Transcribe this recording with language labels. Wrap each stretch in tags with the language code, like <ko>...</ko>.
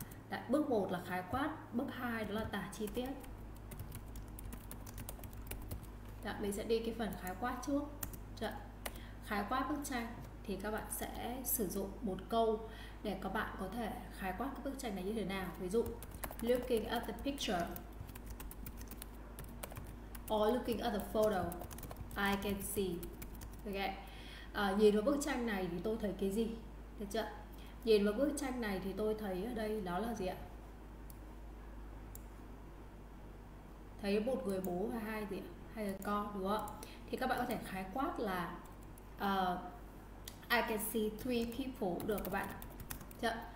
<vi>Đấy, bước 1 là khái quát, bước 2 đó là tả chi tiết. Đấy, mình sẽ đi cái phần khái quát trước. Đấy, khái quát bức tranh thì các bạn sẽ sử dụng một câu để các bạn có thể khái quát cái bức tranh này như thế nào. Ví dụ,</vi> <en>looking at the picture or looking at the photo, I can see. Okay.</en> <vi>Nhìn vào bức tranh này thì tôi thấy cái gì? Được chưa? Nhìn vào bức tranh này thì tôi thấy ở đây đó là gì ạ? Thấy một người bố và hai gì ạ? Hai người con, đúng không? Thì các bạn có thể khái quát là</vi> <en>I can see three people,</en> <vi>được các bạn. Chưa?</vi>